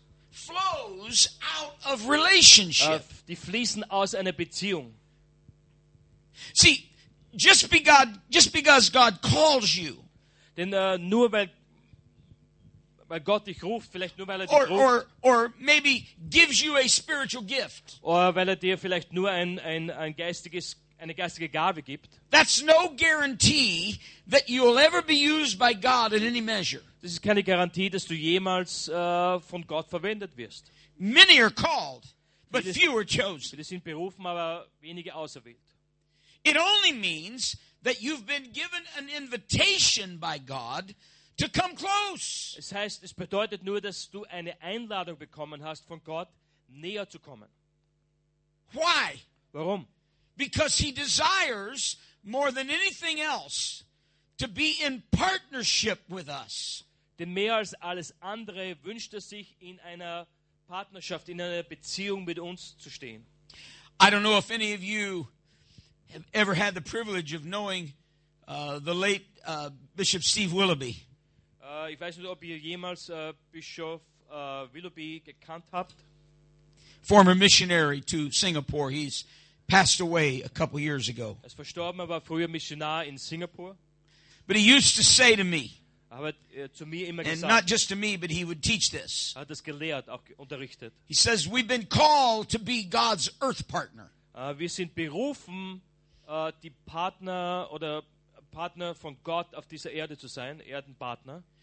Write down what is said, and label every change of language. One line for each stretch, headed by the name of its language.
English: flows out of relationship.
German: Die fließen aus einer Beziehung.
English: See, just because God calls you,
German: denn nur weil Gott dich ruft, vielleicht nur weil er dich
English: or,
German: ruft.
English: Or maybe gives you a spiritual gift.
German: Oder weil er dir vielleicht nur ein geistiges eine geistige Gabe gibt.
English: That's no guarantee that you will ever be used by God in any measure.
German: Das ist keine Garantie, dass du jemals von Gott verwendet wirst.
English: Many are called, but few are chosen.
German: Viele sind berufen, aber wenige auserwählt.
English: It only means that you've been given an invitation by God to come close.
German: Es heißt, es bedeutet nur, dass du eine Einladung bekommen hast von Gott, näher zu kommen.
English: Why?
German: Warum?
English: Because he desires more than anything else to be in partnership with us.
German: Denn mehr als alles andere wünscht er sich, in einer Partnerschaft, in einer Beziehung mit uns zu stehen.
English: I don't know if any of you have ever had the privilege of knowing the late Bishop Steve Willoughby.
German: Ich weiß nicht, ob ihr jemals Bischof Willoughby gekannt habt.
English: Former missionary to Singapore. He's passed away a couple years ago.
German: Er ist verstorben, aber früher Missionar in Singapur.
English: But he used to say to me,
German: aber, zu mir immer
English: and
German: gesagt,
English: not just to me, but he would teach this.
German: Hat das gelehrt, auch unterrichtet.
English: He says, we've been called to be God's earth partner.
German: Wir sind berufen, die Partner oder Partner von Gott auf dieser Erde zu sein, Erdenpartner.